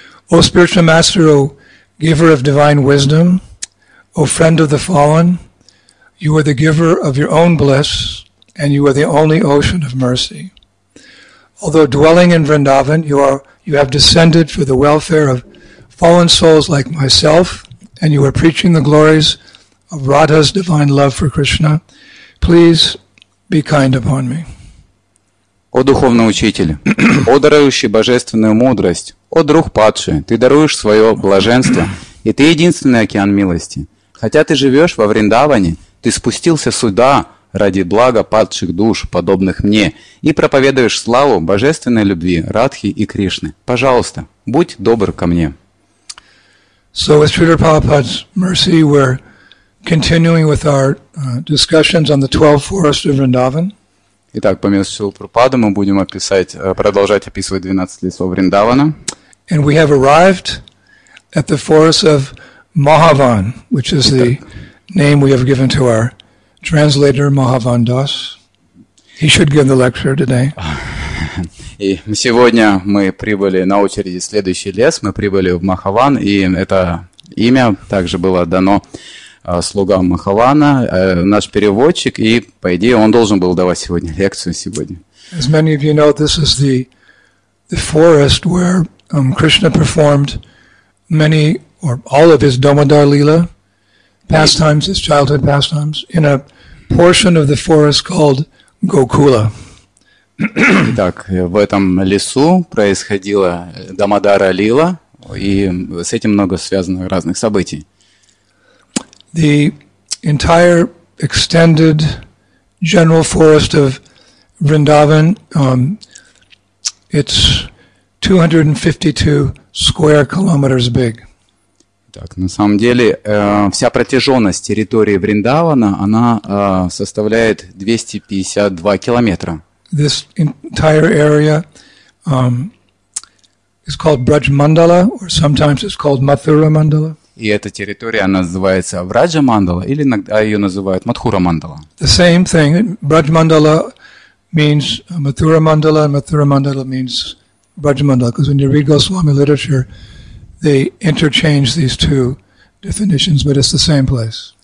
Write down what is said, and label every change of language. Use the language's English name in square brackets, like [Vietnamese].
[English] O Spiritual Master, O Giver of Divine Wisdom, O Friend of the Fallen, You are the giver of your own bliss, and you are the only ocean of mercy. Although dwelling in Vrindavan, you have descended for the welfare of fallen souls like myself, and you are preaching the glories of Radha's divine love for Krishna. Please be kind upon me. [Russian] О духовный учитель, о дарующий божественную мудрость, о друг падший, ты даруешь свое блаженство, и ты единственный океан милости. Хотя ты живешь во Вриндаване, Ты спустился сюда ради блага падших душ, подобных мне, и проповедуешь славу божественной любви Радхи и Кришны. Пожалуйста, будь добр ко мне. [English] So with Śrīla Prabhupāda's mercy, we're continuing with our discussions on the 12 forests of Vrindavan. [Russian] Итак, по милости Śrīla Prabhupāda, мы будем продолжать описывать 12 лесов Вриндавана. [English] And we have arrived at the forest of Mahavan, which is the name we have given to our translator Mahavan Das. He should give the lecture today. [Russian] И сегодня мы прибыли на очереди следующий лес. Мы прибыли в Махаван, и это имя также было дано слугам Махавана, наш переводчик, и по идее он должен был давать сегодня лекцию сегодня. [English] As many of you know, this is the forest where Krishna performed many or all of his Damodar Lila. Pastimes, his childhood pastimes, in a portion of the forest called Gokula. [Russian] Итак, в этом лесу происходила Дамодара Лила, и с этим много связано разных событий. [English] The entire extended general forest of Vrindavan, it's 252 square kilometers big. [Russian] Так, на самом деле, вся протяженность территории Вриндавана, она составляет 252 километра. [English] This entire area is called Braj Mandala, or sometimes it's called Mathura Mandala. [Russian] И эта территория называется Враджа Мандала, или иногда ее называют Матхура Мандала. [English] The same thing. Braj Mandala means Mathura Mandala, and Mathura Mandala means Braj Mandala. Because when you read Goswami literature, they interchange these two definitions, but it's the same place.